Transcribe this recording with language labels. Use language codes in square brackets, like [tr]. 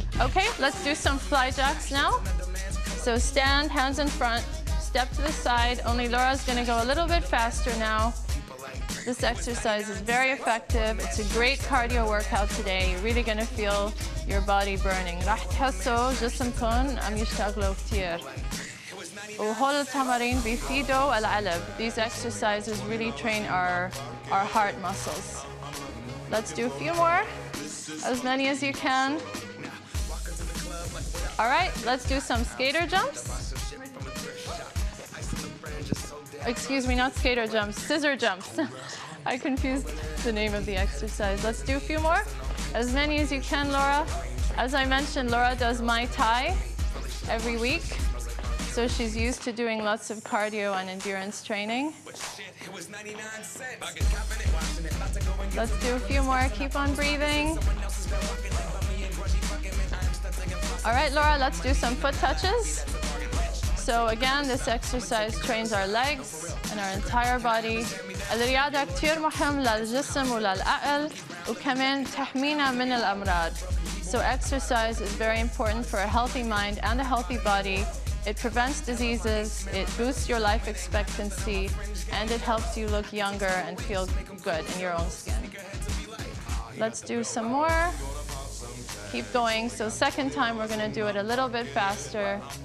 [en] Okay, let's do some fly jacks now. So stand, hands in front, step to the side. Only Laura's gonna go a little bit faster now. This exercise is very effective. It's a great cardio workout today. You're really gonna feel your body burning. [ar] راح تحسوا جسمكم عم يشتغلوا كتير. وهول التمارين بيفيدوا القلب. [en] These exercises really train our heart muscles. Let's do a few more, as many as you can. All right, let's do some skater jumps. Excuse me, not skater jumps, scissor jumps. I confused the name of the exercise. Let's do a few more, as many as you can, Laura. As I mentioned, Laura does Muay Thai every week, so she's used to doing lots of cardio and endurance training. Let's do a few more. Keep on breathing. All right, Laura, let's do some foot touches. So again, this exercise trains our legs and our entire body. [ar] الرياضة كتير مهم للجسم وللعقل وكمان تحمينا من الأمراض. [en] So exercise is very important for a healthy mind and a healthy body. It prevents diseases, it boosts your life expectancy, and it helps you look younger and feel good in your own skin. Let's do some more. Keep going. So second time, we're gonna do it a little bit faster.